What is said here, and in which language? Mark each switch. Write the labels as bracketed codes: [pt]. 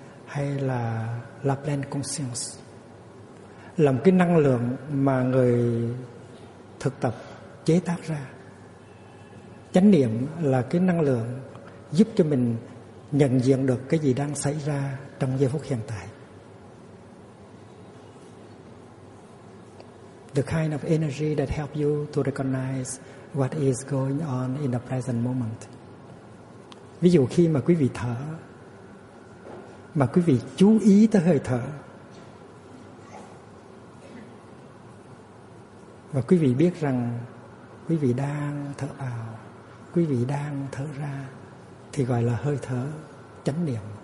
[vi] hay là La Pleine Conscience, là một cái năng lượng mà người thực tập chế tác ra. Chánh niệm là cái năng lượng giúp cho mình nhận diện được cái gì đang xảy ra trong giây phút hiện tại. [en] The kind of energy that helps you to recognize what is going on in the present moment. [vi] Ví dụ khi mà quý vị thở, mà quý vị chú ý tới hơi thở, và quý vị biết rằng quý vị đang thở vào, quý vị đang thở ra, thì gọi là hơi thở chánh niệm.